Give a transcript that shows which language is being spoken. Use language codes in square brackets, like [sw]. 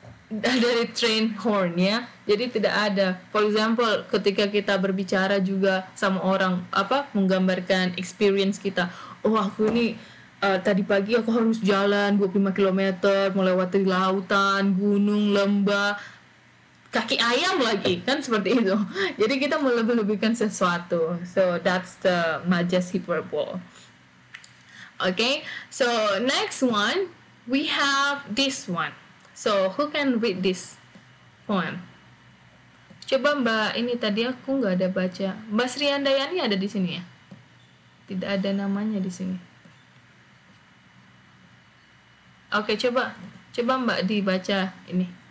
[id] Dari train horn ya. Jadi tidak ada. [en] For example, [id] ketika kita berbicara juga sama orang apa menggambarkan experience kita. Oh, aku ini Tadi pagi aku harus jalan 25 km melewati lautan, gunung, lembah, kaki ayam lagi, kan seperti itu. Jadi kita melebih-lebihkan sesuatu. [en] So that's the majestic hyperbole. Okay, so next one, we have this one. So who can read this poem? [id] Coba Mbak, ini tadi aku nggak ada baca. Mbak Sri Andayani ada di sini ya? Tidak ada namanya di sini. Oke, coba. Coba Mbak dibaca ini.